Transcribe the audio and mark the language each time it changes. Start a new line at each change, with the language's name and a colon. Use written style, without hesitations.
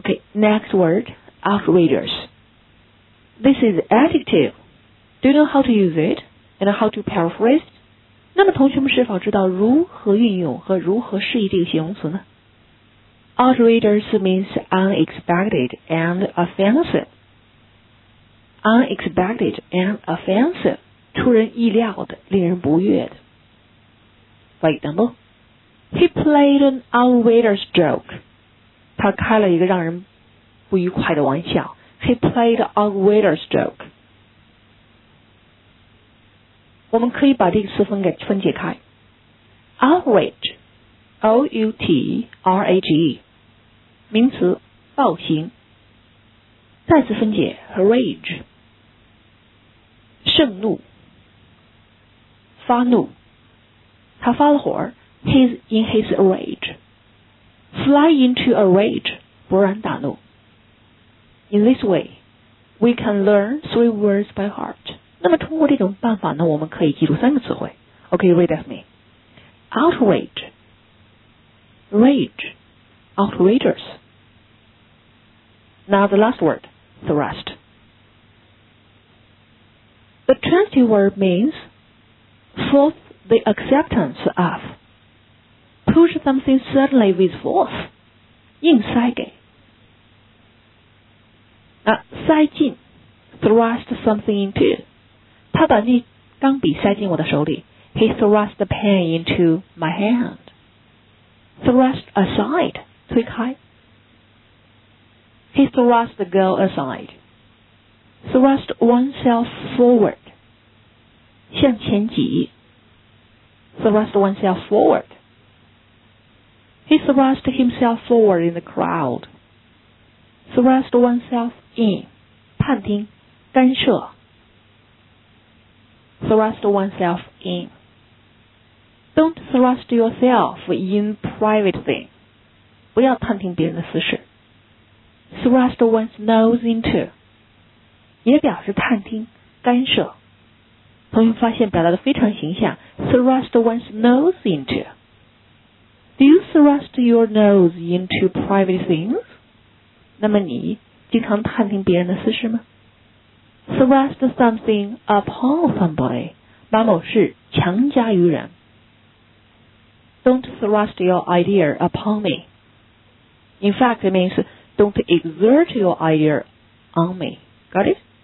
English: Okay, next word, outrageous. This is adjective. Do you know how to use it and how to paraphrase it?
Chinese: 那么同学们是否知道如何运用和如何释义这个形容词呢?
English: Outrageous means unexpected and offensive. Unexpected and offensive,
Chinese: 出人意料的,令人不悦的。
English: For example, he played an outrageous joke.
Chinese: 他开了一个让人不愉快的玩笑。
English: He played an outrageous joke.
Chinese: 我们可以把这个词分解开。
English: Outrage, O-U-T-R-A-G-E,
Chinese: 名词暴行。再次分解 rage, 盛怒发怒。他发了火
English: He's in his rage. Fly into a rage,
Chinese: 勃然大怒。
English: In this way, we can learn three words by heart.
Chinese: 那么通过这种办法呢，我们可以记住三个词汇。
English: Okay, read with me. Outrage. Rage. Outrageous. Now the last word, thrust. The transitive word means forceThe acceptance of. Push something suddenly with force.
Chinese: 硬塞给。塞进。
English: Thrust something into.
Chinese: 他把那钢笔塞进我的手里。
English: He thrust the pen into my hand. Thrust aside.
Chinese: 推开。
English: He thrust the girl aside. Thrust oneself forward.
Chinese: 向前挤。
English: Thrust oneself forward. He thrust himself forward in the crowd. Thrust oneself in.
Chinese: 探听干涉
English: Thrust oneself in. Don't thrust yourself in privately.
Chinese: 不要探听别人的私事。
English: Thrust one's nose into.
Chinese: 也表示探听干涉。同学发现表达的非常形象
English: Thrust one's nose into. Do you thrust your nose into private things?
Chinese: 那么你经常探听别人的私事吗？
English: Thrust something upon somebody.
Chinese: 把某事强加于人。
English: Don't thrust your idea upon me. In fact, it means don't exert your idea on me. Got it?